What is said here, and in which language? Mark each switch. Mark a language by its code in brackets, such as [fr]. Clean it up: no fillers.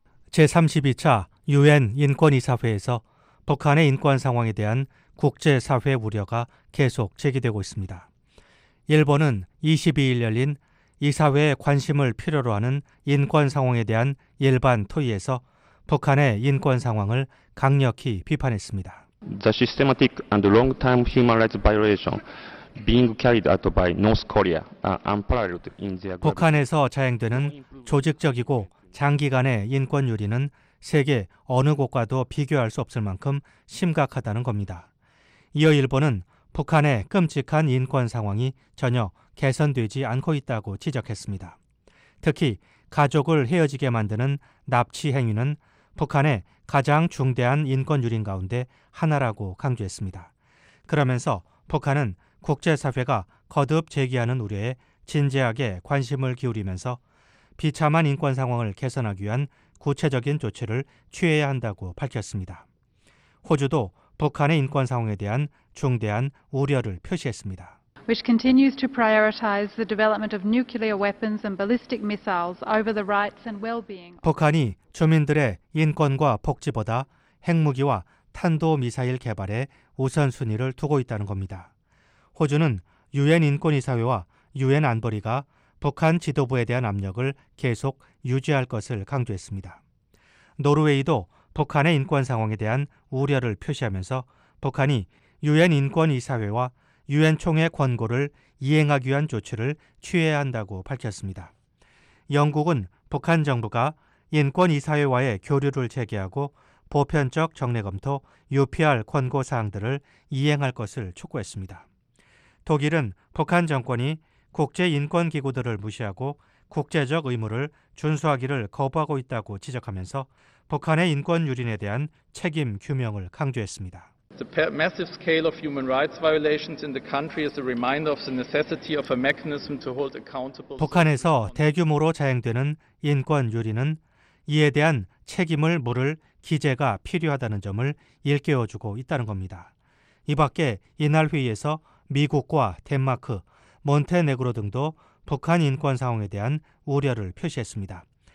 [ko] 제32차 유엔 인권이사회에서 북한의 인권 상황에 대한 국제사회 우려가 계속 제기되고 있습니다. 일본은 22일 열린 이사회의 관심을 필요로 하는 인권 상황에 대한 일반 토의에서 북한의 인권 상황을 강력히 비판했습니다. [en] The systematic and long-time human rights violation being carried out by North Korea unparalleled in their [ko] 북한에서 자행되는 조직적이고 장기간의 인권 유린은 세계 어느 곳과도 비교할 수 없을 만큼 심각하다는 겁니다. 이어 일본은 북한의 끔찍한 인권 상황이 전혀 개선되지 않고 있다고 지적했습니다. 특히 가족을 헤어지게 만드는 납치 행위는 북한의 가장 중대한 인권 유린 가운데 하나라고 강조했습니다. 그러면서 북한은 국제사회가 거듭 제기하는 우려에 진지하게 관심을 기울이면서 비참한 인권 상황을 개선하기 위한 구체적인 조치를 취해야 한다고 밝혔습니다. 호주도 북한의 인권 상황에 대한 중대한 우려를 표시했습니다. [en] Which continues to prioritize the development of nuclear weapons and ballistic missiles over the rights and well-being. [ko] 북한이 주민들의 인권과 복지보다 핵무기와 탄도 미사일 개발에 우선순위를 두고 있다는 겁니다. 호주는 유엔 인권이사회와 유엔 안보리가 북한 지도부에 대한 압력을 계속 유지할 것을 강조했습니다. 노르웨이도 북한의 인권 상황에 대한 우려를 표시하면서 북한이 유엔 인권이사회와 유엔 총회 권고를 이행하기 위한 조치를 취해야 한다고 밝혔습니다. 영국은 북한 정부가 인권이사회와의 교류를 재개하고 보편적 정례검토 UPR 권고 사항들을 이행할 것을 촉구했습니다. 독일은 북한 정권이 국제인권기구들을 무시하고 국제적 의무를 준수하기를 거부하고 있다고 지적하면서 북한의 인권 유린에 대한 책임 규명을 강조했습니다. [en] The massive scale of human rights violations in the country is a reminder of the necessity of a mechanism to hold accountable. [ko] 북한에서 대규모로 자행되는 인권 유린은 이에 대한 책임을 물을 기재가 필요하다는 점을 일깨워주고 있다는 겁니다. 이 밖에 이날 회의에서 미국과 덴마크, 몬테네그로 등도 북한 인권 상황에 대한 우려를 표시했습니다.